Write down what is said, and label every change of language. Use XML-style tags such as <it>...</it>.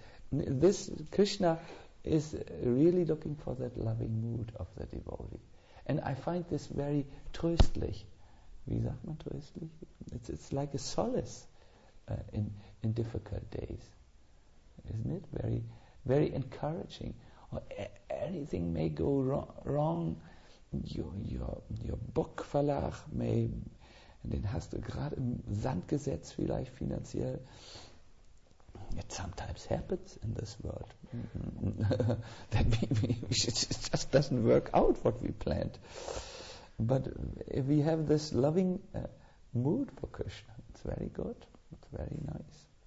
<en>This Krishna is really looking for that loving mood of the devotee. And I find this very tröstlich.</en> <de>Wie sagt man tröstlich?</de> <en>It's like a solace in difficult days. Isn't it? Very, very encouraging. Or anything may go wrong. Your book</en> <de>Verlag may, den hast du gerade im Sand gesetzt, vielleicht finanziell.</de> <en>It sometimes happens in this world that it just doesn't work out what we planned. But if we have this loving mood for Krishna, it's very good. It's very nice.</en>